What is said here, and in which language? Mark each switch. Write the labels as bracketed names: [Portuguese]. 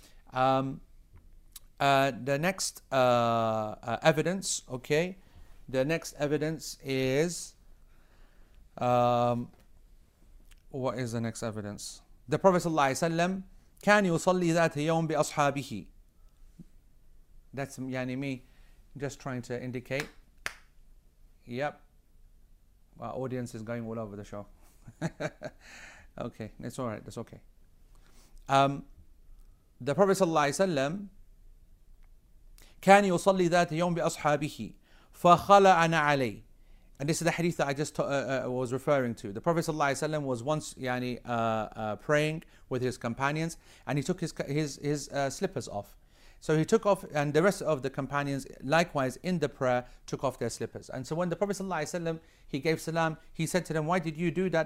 [English] The next evidence, okay, the next evidence is, what is the next evidence? [Arabic] the Prophet صلى الله عليه وسلم كان يصلي ذات يوم بأصحابه. [English] That's يعني me just trying to indicate. Yep. Our audience is going all over the show. Okay, that's all right. That's okay. [Arabic] The Prophet صلى الله عليه وسلم كان يصلي ذات يوم بأصحابه فخلع عن علي. [English] And this is the hadith that I just was referring to. The Prophet sallallahu alaihi wasallam was once praying with his companions, and he took his slippers off. So he took off, and the rest of the companions likewise in the prayer took off their slippers. And so when the Prophet sallallahu alaihi wasallam, he gave salam, he said to them, "Why did you do that?"